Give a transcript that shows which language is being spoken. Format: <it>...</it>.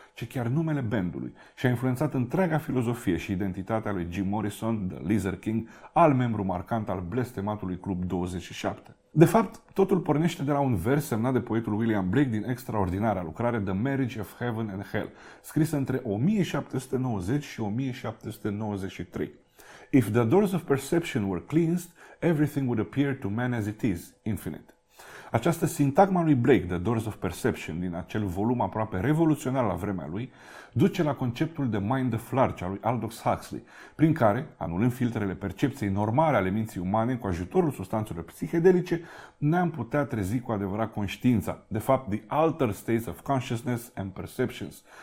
<ro>ci chiar numele bandului și a influențat întreaga filozofie și identitatea lui Jim Morrison, The Lizard King, alt membru marcant al blestematului Club 27. De fapt, totul pornește de la un vers semnat de poetul William Blake din extraordinarea lucrare The Marriage of Heaven and Hell, scrisă între 1790 și 1793.</ro> <en>If the doors of perception were cleansed, everything would appear to man as it is, infinite.</en> <ro>Această sintagma lui Blake, The Doors of Perception, din acel volum aproape revoluționar la vremea lui, duce la conceptul de Mind of Large al lui Aldous Huxley, prin care, anulând filtrele percepției normale ale minții umane cu ajutorul substanțelor psihedelice, ne-am putea trezi cu adevărat conștiința, de fapt The Altered States of Consciousness and Perceptions.</ro>